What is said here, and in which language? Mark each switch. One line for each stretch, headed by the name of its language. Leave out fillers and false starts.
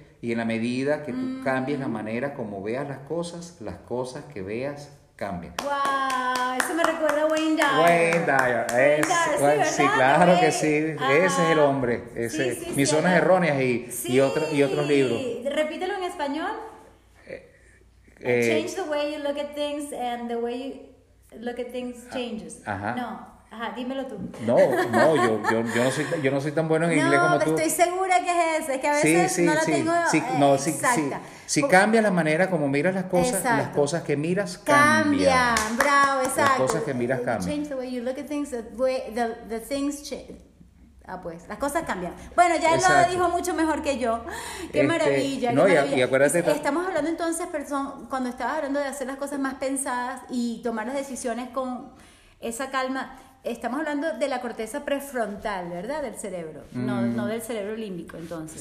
Spanish: Y en la medida que tú cambies la manera como veas las cosas que veas cambian. ¡Wow! Eso me recuerda a Wayne Dyer. Sí, claro que sí. Ese es el hombre. Ese, sí, mis zonas erróneas y otros libros. Repítelo en español.
English: Change the way you look at things and the way you look at things changes.
Spanish: Ajá. Dímelo tú. Yo no soy tan bueno en inglés como tú. No, estoy segura que es ese. Es que a veces no la tengo. Si cambia la manera como miras las cosas, las cosas que miras cambian. Bravo, exacto. Las cosas que miras cambian.
English: Change the way you look at things, the things change.
Spanish: Ah, pues, las cosas cambian. Bueno, ya él lo dijo mucho mejor que yo. Qué maravilla, Y acuérdate. Estamos hablando entonces, perdón, cuando estaba hablando de hacer las cosas más pensadas y tomar las decisiones con esa calma, estamos hablando de la corteza prefrontal, ¿verdad? Del cerebro, no del cerebro límbico, entonces.